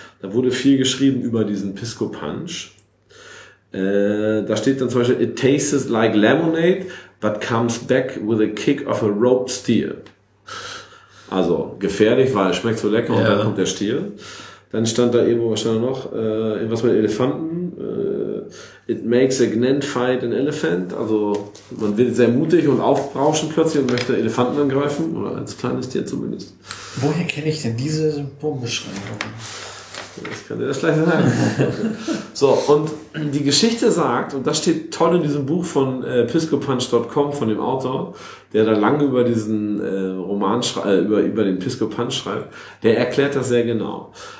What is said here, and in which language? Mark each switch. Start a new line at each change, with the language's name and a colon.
German: Da wurde viel geschrieben über diesen Pisco Punch. Da steht dann zum Beispiel,
English: it tastes like lemonade, but comes back with a kick of a roped steer.
German: Also gefährlich, weil es schmeckt so lecker und ja. dann kommt der Stier. Dann stand da irgendwo wahrscheinlich noch irgendwas mit Elefanten.
English: It makes a gnant fight an elephant.
German: Also man wird sehr mutig und aufbrauschen plötzlich und möchte Elefanten angreifen. Oder als kleines Tier zumindest. Woher kenne ich denn diese Symptombeschreibung? Das kann dir das gleich sagen. So, und die Geschichte sagt, und das steht toll in diesem Buch von PiscoPunch.com, von dem Autor, der da lange über diesen Roman über den Pisco Punch schreibt, der erklärt das sehr genau.